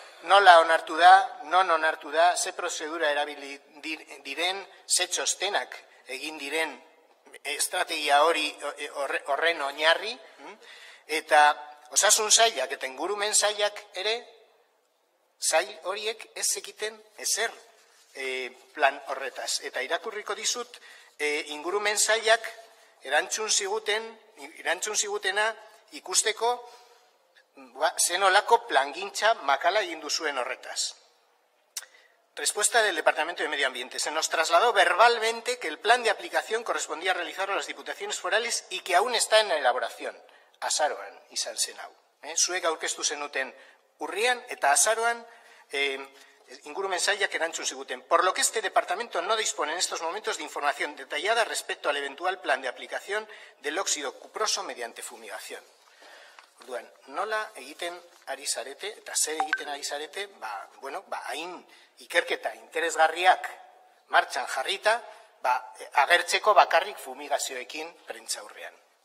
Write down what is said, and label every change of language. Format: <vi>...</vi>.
<eu>Nola onartu da, non onartu da, ze prozedura erabili diren, ze txostenak egin diren estrategia hori horren oinarri, eta osasun sailak eta ingurumen sailak ere, sail horiek ez zekiten ezer plan horretaz. Eta irakurriko dizut, ingurumen sailak erantzun zigutena ikusteko, zenolako plangintza makala egin duzuen horretaz.</eu> <es>Respuesta del Departamento de Medio Ambiente. Se nos trasladó verbalmente que el plan de aplicación correspondía a realizarlo a las diputaciones forales y que aún está en elaboración.</es> <eu>Azaroan izan zen hau. Zuek aurkeztu zenuten urrian eta azaroan ingurumen sailak erantzun ziguten.</eu> <es>Por lo que este departamento no dispone en estos momentos de información detallada respecto al eventual plan de aplicación del óxido cuproso mediante fumigación.</es> <eu>Duen, nola egiten ari zarete, eta zer egiten ari zarete, hain ikerketa interesgarriak martxan jarrita, agertzeko bakarrik fumigazioekin prentzaurrean.</eu>